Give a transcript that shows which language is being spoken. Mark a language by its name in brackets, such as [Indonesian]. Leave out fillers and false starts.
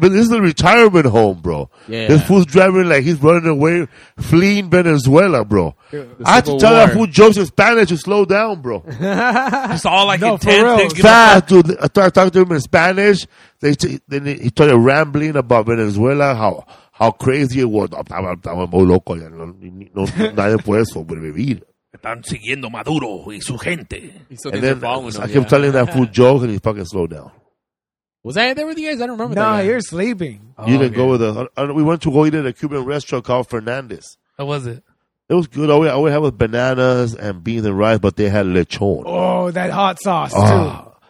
[English] This is a retirement home, bro. Yeah. This fool's driving like he's running away, fleeing Venezuela, bro. I had to tell that fool jokes in Spanish to slow down, bro. It's all like intense. Fast, dude. I started talking to him in Spanish. Then he started rambling about Venezuela, how crazy it was. I'm [Spanish] muy loco. Nadie puede sobrevivir. Están siguiendo Maduro y su gente. [English] And then I kept telling that fool joke and he fucking slowed down. Was I there with you guys? I don't remember No, you're sleeping. You didn't go with us. We went to go eat at a Cuban restaurant called Fernandez. How was it? It was good. All we had was bananas and beans and rice, but they had lechon. Oh, that hot sauce, too.